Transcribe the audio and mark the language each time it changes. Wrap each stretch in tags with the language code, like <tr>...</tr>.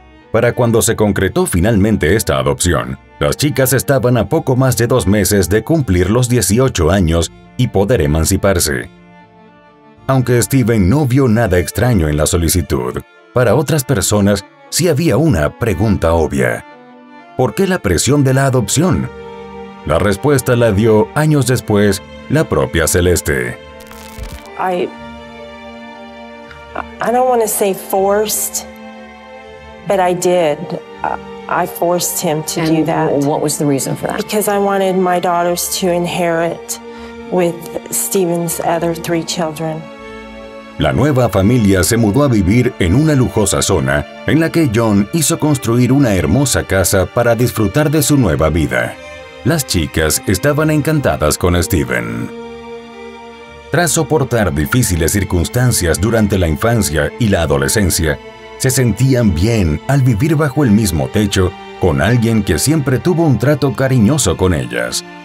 <es>Para cuando se concretó finalmente esta adopción, las chicas estaban a poco más de 2 meses de cumplir los 18 años y poder emanciparse. Aunque Steven no vio nada extraño en la solicitud, para otras personas sí había una pregunta obvia. ¿Por qué la presión de la adopción? La respuesta la dio, años después, la propia Celeste.</es> <en>I don't want to say forced, but I did. I forced him to and do that. What was the reason for that? Because I wanted my daughters to inherit with Stephen's other 3 children.</en> <es>La nueva familia se mudó a vivir en una lujosa zona en la que John hizo construir una hermosa casa para disfrutar de su nueva vida. Las chicas estaban encantadas con Steven. Tras soportar difíciles circunstancias durante la infancia y la adolescencia, se sentían bien al vivir bajo el mismo techo con alguien que siempre tuvo un trato cariñoso con ellas.</es>